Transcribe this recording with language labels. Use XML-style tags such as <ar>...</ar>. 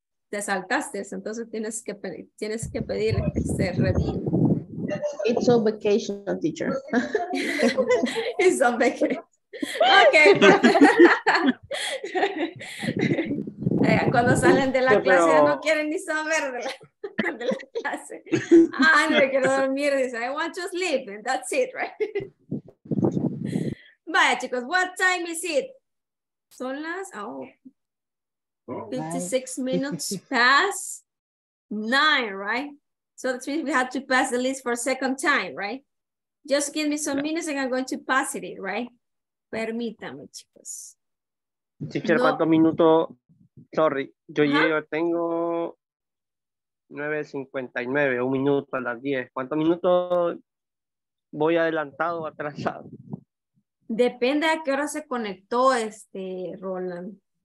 <es>Te saltaste, entonces tienes que pedir ese review.</es> <en>It's on vacation, teacher. It's on vacation. Okay.</en> <es>Cuando salen de la clase ya no quieren ni saber de la clase. Ah, no me quiero dormir, dice,</es> <en>I want to sleep, and that's it, right?</en> <es>Vaya, chicos,</es> <en>what time is it?</en> <es>Son las</es> <en>56 minutes past 9, right? So that means we have to pass the list for a second time, right? Just give me some minutes and I'm going to pass it, right?</en> <es>Permítame, chicos. Teacher, no. ¿Cuántos minutos? Sorry, yo llego, tengo 9:59, un minuto a las 10. ¿Cuántos minutos voy adelantado o atrasado? Depende a qué hora se conectó este Roland.</es>